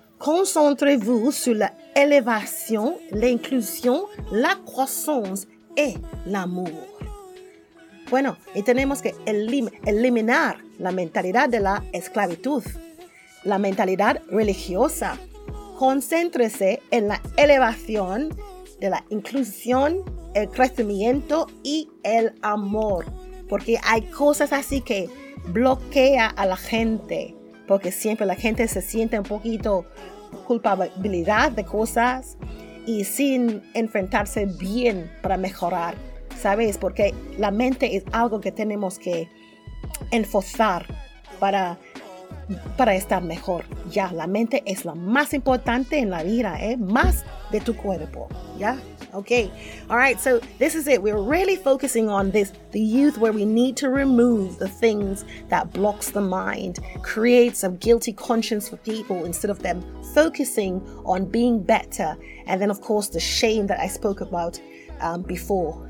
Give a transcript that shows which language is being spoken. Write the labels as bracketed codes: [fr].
[fr] Concentrez-vous sur l'élévation, l'inclusion, la croissance et l'amour. [es] Bueno, y tenemos que eliminar la mentalidad de la esclavitud, la mentalidad religiosa. Concéntrese en la elevación de la inclusión, el crecimiento y el amor. Porque hay cosas así que bloquea a la gente. Porque siempre la gente se siente un poquito culpabilidad de cosas y sin enfrentarse bien para mejorar. ¿Sabes? Porque la mente es algo que tenemos que enfocar para estar mejor. Ya, la mente es lo más importante en la vida, más de tu cuerpo. [en] ¿Ya? Okay. All right, so this is it. We're really focusing on this, the youth, where we need to remove the things that blocks the mind, creates a guilty conscience for people instead of them focusing on being better. And then, of course, the shame that I spoke about before.